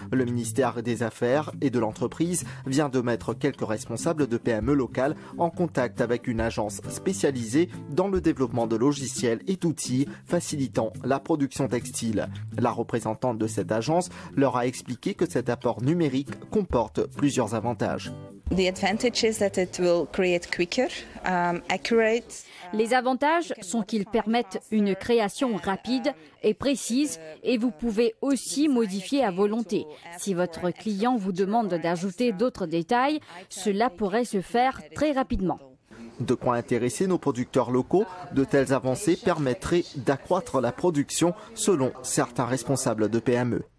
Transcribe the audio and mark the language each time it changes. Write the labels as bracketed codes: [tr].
[fr] Le ministère des Affaires et de l'Entreprise vient de mettre quelques responsables de PME locales en contact avec une agence spécialisée dans le développement de logiciels et d'outils facilitant la production textile. La représentante de cette agence leur a expliqué que cet apport numérique comporte plusieurs avantages. [en] The advantage is that it will create quicker, accurate. [fr] Les avantages sont qu'ils permettent une création rapide et précise et vous pouvez aussi modifier à volonté. Si votre client vous demande d'ajouter d'autres détails, cela pourrait se faire très rapidement. De quoi intéresser nos producteurs locaux, de telles avancées permettraient d'accroître la production selon certains responsables de PME.